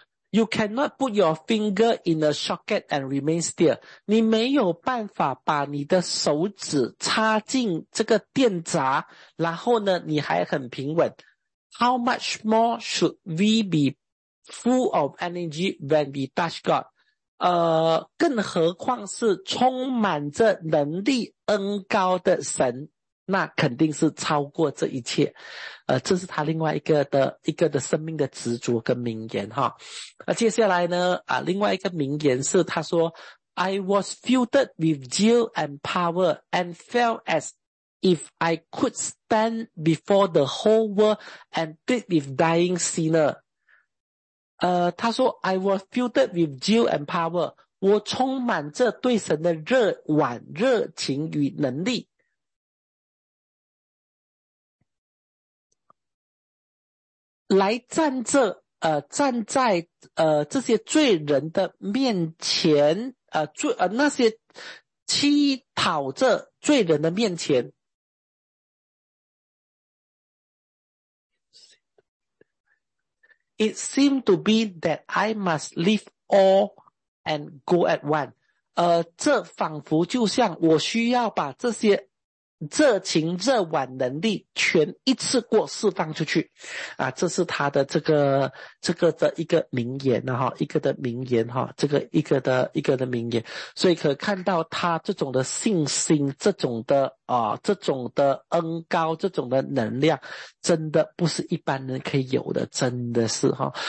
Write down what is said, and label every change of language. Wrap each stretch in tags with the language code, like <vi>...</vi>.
<en>You cannot put your finger in a socket and remain still。</en> <zh>你没有办法把你的手指插进这个电闸，然后呢，你还很平稳。</zh> <en>How much more should we be full of energy when we touch God？</en> <zh>更何况是充满着能力恩高的神，那肯定是超过这一切。这是他另外一个的生命的执着跟名言哈。接下来呢，另外一个名言是他说</zh> <en>I was filled with zeal and power and felt as if I could stand before the whole world and plead with dying sinner。</en> <zh>他说</zh> <en>I was filled with zeal and power，</en> <zh>我充满着对神的热情与能力。来站在这些罪人的面前，那些乞讨着罪人的面前。</zh> <en>It seemed to be that I must leave all and go at one。</en> <zh>这仿佛就像我需要把这些热情热腕能力全一次过释放出去啊。这是他的这个的一个名言啊，一个的名言啊，这个一个的名言。所以可看到他这种的信心，这种的这种的恩高，这种的能量真的不是一般人可以有的，真的是啊。</zh>